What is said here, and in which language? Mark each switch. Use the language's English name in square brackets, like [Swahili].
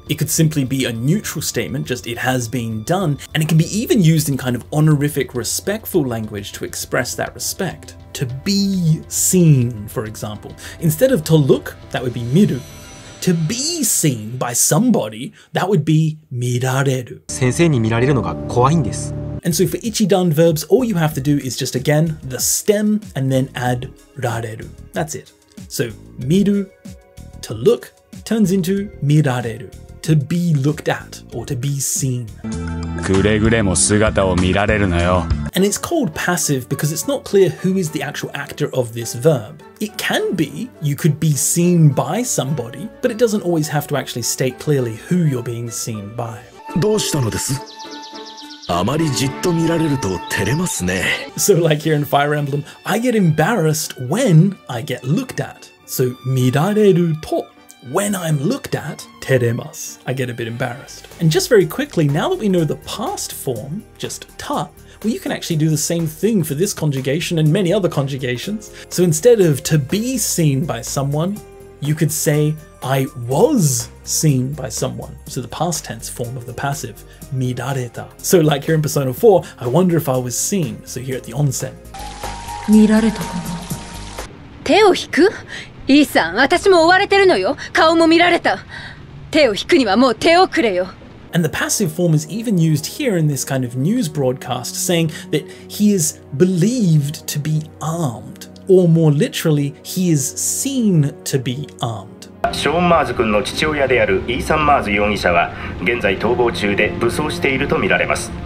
[English] It could simply be a neutral statement, just it has been done. And it can be even used in kind of honorific, respectful language to express that respect. To be seen, for example. Instead of to look, that would be 見る. To be seen by somebody, that would be 見られる. [Japanese] 先生に見られるのが怖いんです。 [English] And so for ichidan verbs, all you have to do is just again, the stem, and then add rareru. That's it. So, miru, to look, turns into mirareru, to be looked at, or to be seen. [Japanese] くれぐれも姿を見られるなよ。 [English] And it's called passive because it's not clear who is the actual actor of this verb. It can be, you could be seen by somebody, but it doesn't always have to actually state clearly who you're being seen by. [Japanese] どうしたのです? あまりじっと見られると照れますね。 [English] So like here in Fire Emblem, I get embarrassed when I get looked at. So 見られると when I'm looked at, 照れます。 I get a bit embarrassed. And just very quickly, now that we know the past form, just た, well you can actually do the same thing for this conjugation and many other conjugations. So instead of to be seen by someone, you could say I was seen by someone. So the past tense form of the passive, 見られた.So like here in Persona 4, I wonder if I was seen. So here at the onsen. [Japanese] 見られたかな? 手を引く? E さん、私も追われてるのよ。顔も見られた。手を引くにはもう手をくれよ。 [English] And the passive form is even used here in this kind of news broadcast, saying that he is believed to be armed. Or more literally, he is seen to be armed. [Japanese] ショーン・マーズ君の父親であるイーサン・マーズ容疑者は現在逃亡中で武装していると見られます。